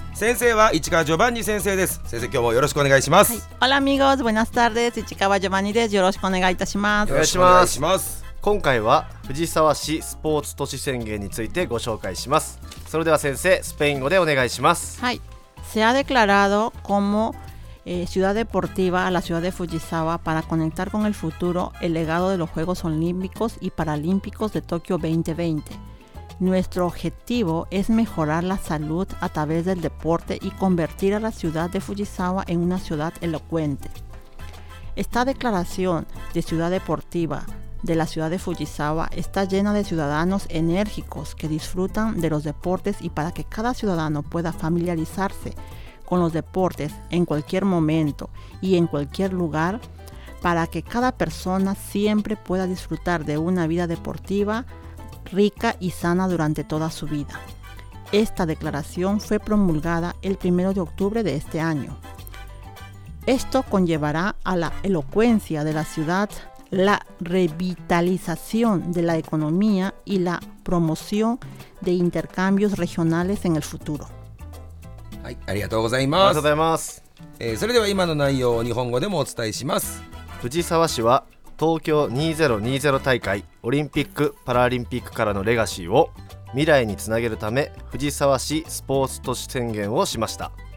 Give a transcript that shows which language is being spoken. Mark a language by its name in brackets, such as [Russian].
[Japanese] 先生は市川ジョバンニ先生です。先生今日もよろしくお願いします。 [Spanish] オラミゴーズブナスタール [Japanese] です。市川ジョバンニです。よろしくお願いいたします。よろしくお願いします。今回は藤沢市スポーツ都市宣言についてご紹介します。それでは先生スペイン語でお願いします。はい。 [Spanish] Se ha declarado como ciudad deportiva a la ciudad de Fujisawa para conectar con el futuro el legado de los Juegos Olímpicos y Paralímpicos de Tokio 2020. Nuestro objetivo es mejorar la salud a través del deporte y convertir a la ciudad de Fujisawa en una ciudad elocuente. Esta declaración de ciudad deportiva de la ciudad de Fujisawa está llena de ciudadanos enérgicos que disfrutan de los deportes, y para que cada ciudadano pueda familiarizarse con los deportes en cualquier momento y en cualquier lugar, para que cada persona siempre pueda disfrutar de una vida deportiva rica y sana durante toda su vida. Esta declaración fue promulgada el 1 de octubre de este año. Esto conllevará a la elocuencia de la ciudad, la revitalización de la economía y la promoción de intercambios regionales en el futuro. [Japanese] はい、ありがとうございます。ありがとうございます、それでは今の内容を日本語でもお伝えします。藤沢市は東京2020大会オリンピック・パラリンピックからのレガシーを未来につなげるため藤沢市スポーツ都市宣言をしました。